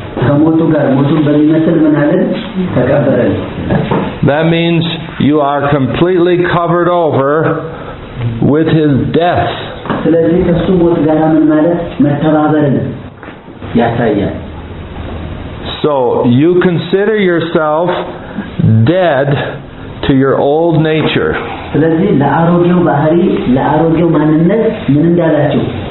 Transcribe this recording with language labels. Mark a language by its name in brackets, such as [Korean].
[Amharic] ከሞቱ ጋር ሞቱን በሚመስል ምን አለ ተቀበረል [English] That means you are completely covered over with his death. [Amharic] ስለዚህ ከሱ ሞት ጋር ምን ማለት መተባበርን ያሳያል [English] So you consider yourself dead to your old nature. [Amharic] ስለዚህ ለአሮጌው ባህሪ ለአሮጌው ማንነት ምን እንዳላችሁ